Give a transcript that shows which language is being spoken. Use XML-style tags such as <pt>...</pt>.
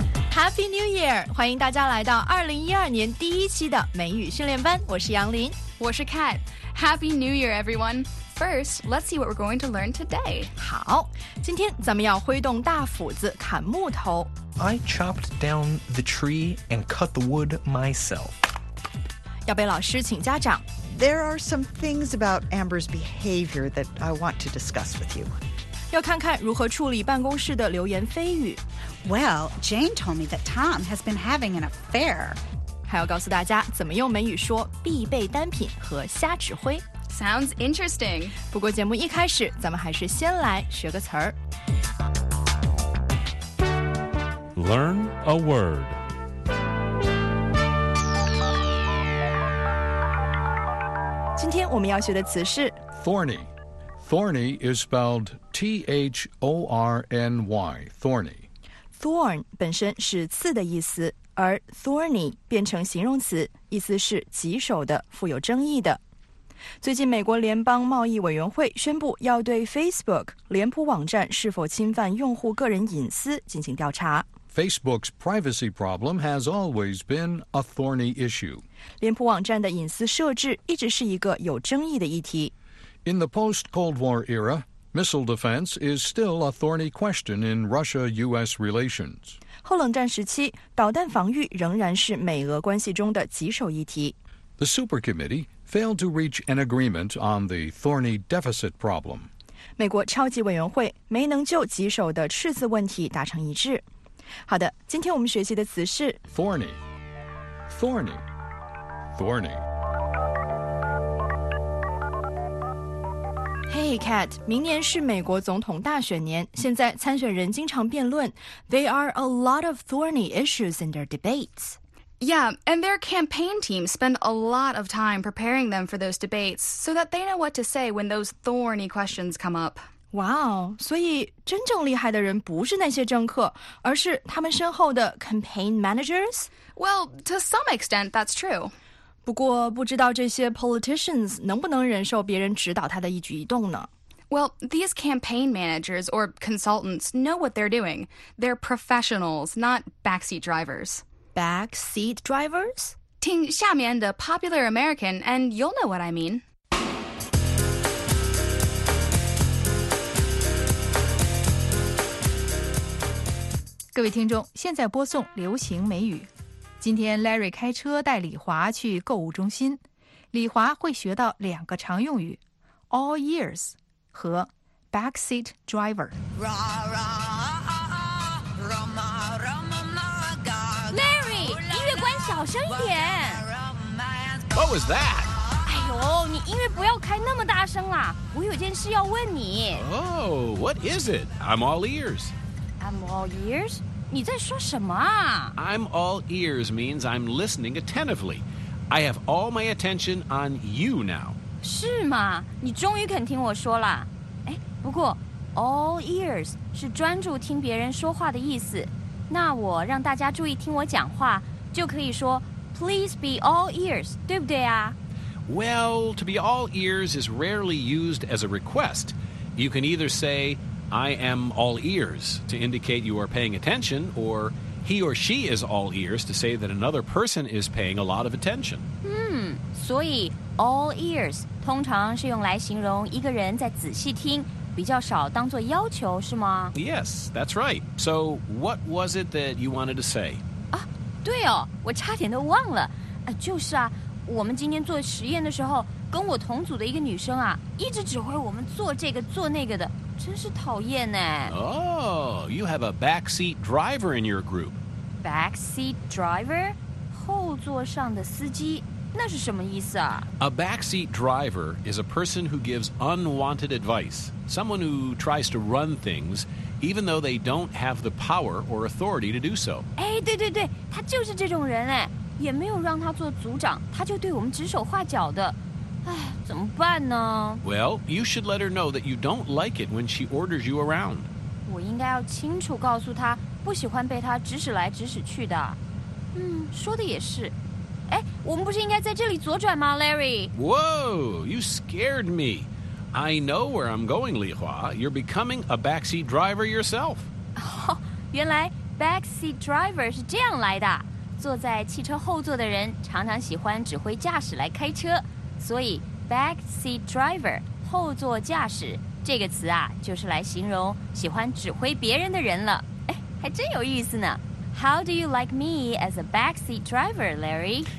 <en>Happy New Year！</en> <zh>欢迎大家来到2012年第一期的美语训练班。我是杨林，我是</zh> <en>Kat。Happy New Year, everyone! First, let's see what we're going to learn today.</en> <zh>好，今天咱们要挥动大斧子砍木头。</zh> <en>I chopped down the tree and cut the wood myself.</en> <zh>要被老师请家长。</zh> <en>There are some things about Amber's behavior that I want to discuss with you.</en> <zh>要看看如何处理办公室的流言蜚语。</zh> <en>Well, Jane told me that Tom has been having an affair.</en> <zh>还要告诉大家怎么用美语说必备单品和瞎指挥。</zh> <en>Sounds interesting.</en> <zh>不过节目一开始，咱们还是先来学个词儿。</zh> <en>Learn a word.</en> <zh>今天我们要学的词是</zh> <en>thorny. Thorny is spelled T-H-O-R-N-Y, thorny.</en> <zh>Thorn 本身是刺的意思，而 thorny 变成形容词，意思是棘手的、富有争议的。最近美国联邦贸易委员会宣布要对 Facebook 脸谱网站是否侵犯用户个人隐私进行调查。</zh> <en>Facebook's privacy problem has always been a thorny issue.</en> <zh>脸谱网站的隐私设置一直是一个有争议的议题。</zh> <en>In the post-Cold War era, missile defense is still a thorny question in Russia-U.S. relations.</en> <zh>后冷战时期，导弹防御仍然是美俄关系中的棘手议题。</zh> <en>The Super Committee failed to reach an agreement on the thorny deficit problem.</en> <zh>美国超级委员会没能就棘手的赤字问题达成一致。好的，今天我们学习的词是</zh> <en>thorny, thorny, thorny.</en> <zh>Hey, Kat, 明年是美国总统大选年，现在参选人经常辩论。</zh> <en>There are a lot of thorny issues in their debates. Yeah, and their campaign teams spend a lot of time preparing them for those debates so that they know what to say when those thorny questions come up.</en> <zh>Wow, 所以真正厉害的人不是那些政客，而是他们身后的 campaign managers?</zh> <en>Well, to some extent, that's true.</en> <zh>不过不知道这些 politicians 能不能忍受别人指导他的一举一动呢?</zh> <en>Well, these campaign managers or consultants know what they're doing. They're professionals, not backseat drivers. Backseat drivers?</en> <zh>听下面的</zh> <en>popular American and you'll know what I mean.</en> <zh>(Music) 各位听众，现在播送流行美语。今天 Larry 开车带李华去购物中心，李华会学到两个常用语 All ears 和 Backseat driver Larry, 音乐关小声一点</zh> <en>What was that?</en> <zh>哎呦，你音乐不要开那么大声啦，我有件事要问你</zh> <en>Oh, what is it? I'm all ears</en> <zh>I'm all ears? 你在说什么啊</zh> <en>I'm all ears means I'm listening attentively. I have all my attention on you now.</en> <zh>是吗？你终于肯听我说了。哎，不过 all ears 是专注听别人说话的意思。那我让大家注意听我讲话，就可以说</zh> <en>please be all ears，</en> <zh>对不对啊</zh> <en>？Well, to be all ears is rarely used as a request. You can either say. I am all ears to indicate you are paying attention, or he or she is all ears to say that another person is paying a lot of attention.</en> <zh>Hmm, 所以 all ears 通常是用来形容一个人在仔细听，比较少当作要求，是吗？</zh> <en>Yes, that's right. So what was it that you wanted to say?</en> <zh>啊，对哦，我差点都忘了。啊，就是啊，我们今天做实验的时候，跟我同组的一个女生啊，一直指挥我们做这个做那个的。真是讨厌哎</zh> <en>Oh, you have a backseat driver in your group. Backseat driver?</en> <zh>后座上的司机那是什么意思啊</zh> <en>A backseat driver is a person who gives unwanted advice. Someone who tries to run things, even though they don't have the power or authority to do so.</en> <zh>哎，对对对，他就是这种人哎，也没有让他做组长，他就对我们指手画脚的。唉，怎么办呢</zh> <en>Well, you should let her know that you don't like it when she orders you around.</en> <zh>我应该要清楚告诉她不喜欢被她指使来指使去的。嗯，说的也是。哎，我们不是应该在这里左转吗 Larry?</zh> <en>Whoa, you scared me. I know where I'm going, Li Hua. You're becoming a backseat driver yourself.</en> <zh>哦，原来 backseat driver 是这样来的。坐在汽车后座的人常常喜欢指挥驾驶来开车，所以 backseat driver 后座驾驶这个词啊，就是来形容喜欢指挥别人的人了。哎，还真有意思呢。</zh> <en>How do you like me as a backseat driver, Larry?</en>